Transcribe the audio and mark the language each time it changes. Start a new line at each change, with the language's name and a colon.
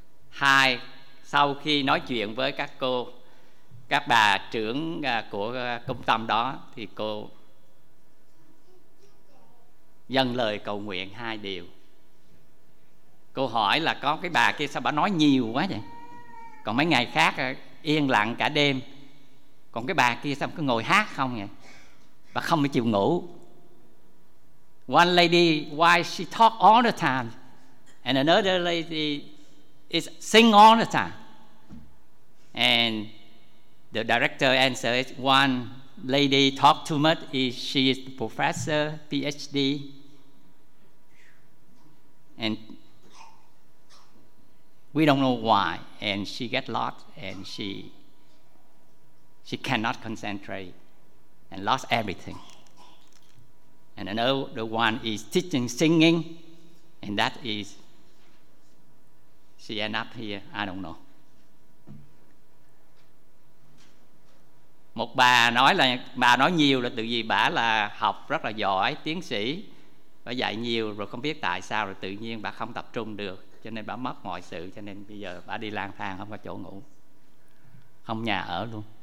Vietnamese: Hai, sau khi nói chuyện với các cô, các bà trưởng của công tâm đó, thì cô dâng lời cầu nguyện 2 điều. Cô hỏi là có cái bà kia sao bà nói nhiều quá vậy, còn mấy ngày khác yên lặng cả đêm, còn cái bà kia sao cứ ngồi hát không vậy, bà không chịu ngủ.
English: One lady, why she talk all the time, and another lady is sing all the time. And the director answered, one lady talk too much, is she is the professor, PhD. And we don't know why, and she get lost, and she cannot concentrate, and lost everything. And another one is teaching singing, and that is, she end up here, I don't know.
Vietnamese: Một bà nói là, bà nói nhiều là tự vì bà là học rất là giỏi, tiến sĩ, bà dạy nhiều rồi không biết tại sao rồi tự nhiên bà không tập trung được, cho nên bà mất mọi sự, cho nên bây giờ bà đi lang thang không có chỗ ngủ, không nhà ở luôn.